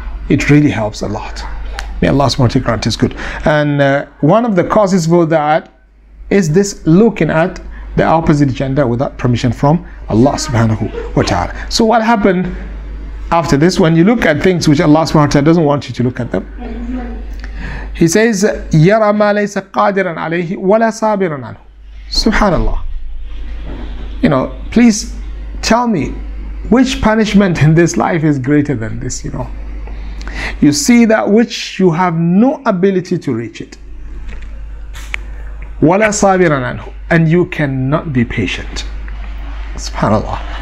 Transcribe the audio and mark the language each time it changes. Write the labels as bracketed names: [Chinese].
[English] It really helps a lot. May Allah subhanahu wa ta'ala grant us good. And one of the causes for that is this looking at the opposite gender without permission from Allah subhanahu wa ta'ala. So what happened after this, when you look at things which Allah subhanahu wa ta'ala doesn't want you to look at them? [Arabic] He says, يَرَى مَا لَيْسَ قَادِرًا عَلَيْهِ وَلَا صَابِرًا عَنْهُ. [English] Subhanallah. You know, please tell me, which punishment in this life is greater than this, you know? You see that which you have no ability to reach it. وَلَا صَابِرًا عَنْهُ. And you cannot be patient. Subhanallah.